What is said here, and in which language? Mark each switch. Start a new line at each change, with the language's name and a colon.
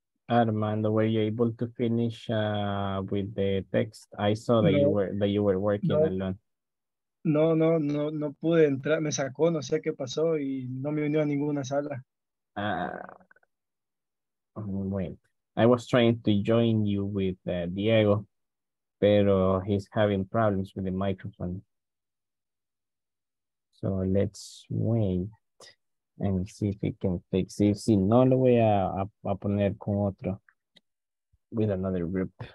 English: Armando, were you able to finish with the text? I saw that you were working alone.
Spanish: No, pude entrar, me sacó, no sé qué pasó y no me unió a ninguna sala.
English: I was trying to join you with Diego, pero he's having problems with the microphone. So let's wait. And see if he can fix it.
Spanish: Si no, lo voy a poner con otro,
English: with another group.